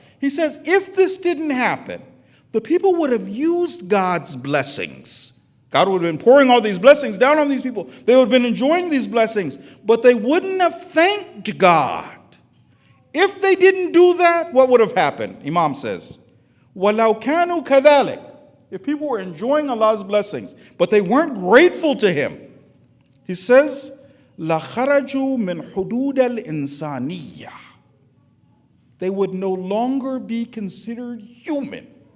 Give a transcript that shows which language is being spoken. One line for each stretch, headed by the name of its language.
English: He says, if this didn't happen, the people would have used God's blessings. God would have been pouring all these blessings down on these people. They would have been enjoying these blessings, but they wouldn't have thanked God. If they didn't do that, what would have happened? Imam says,
Arabic: وَلَوْ كَانُوا كَذَلِكَ.
English: If people were enjoying Allah's blessings, but they weren't grateful to him, he says,
Arabic: لَخَرَجُوا مِنْ حُدُودَ الْإِنسَانِيَّةِ.
English: They would no longer be considered human.